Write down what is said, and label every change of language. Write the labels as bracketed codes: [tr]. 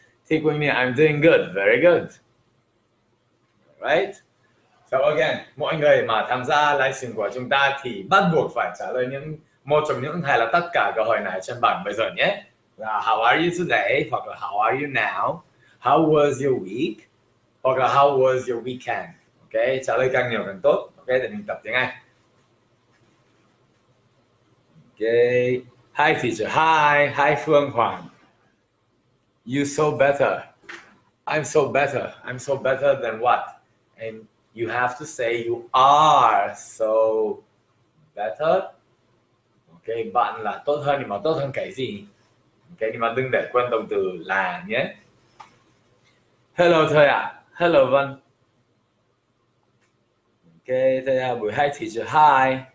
[en] Take with me, I'm doing good, very good. Right? So again, [vi] mọi người mà tham gia livestream của chúng ta thì bắt buộc phải trả lời những một trong những hay là tất cả câu hỏi này trên bảng bây giờ nhé. Là [en] how are you today? [vi] Hoặc là [en] how are you now? How was your week? [vi] Hoặc là [en] how was your weekend? [vi] Ok, trả lời càng nhiều càng tốt. Ok, để mình tập tiếng Anh. [en] Ok, hi teacher, hi, hi Phương Hoàn. You so better. I'm so better. I'm so better than what? And you have to say you are so better. [vi] Ok, bạn là tốt hơn nhưng mà tốt hơn cái gì? Ok, nhưng mà đừng để quên động từ là nhé. Hello thầy ạ. Hello Vân. Ok, thầy ạ, buổi hai thì chữ hi.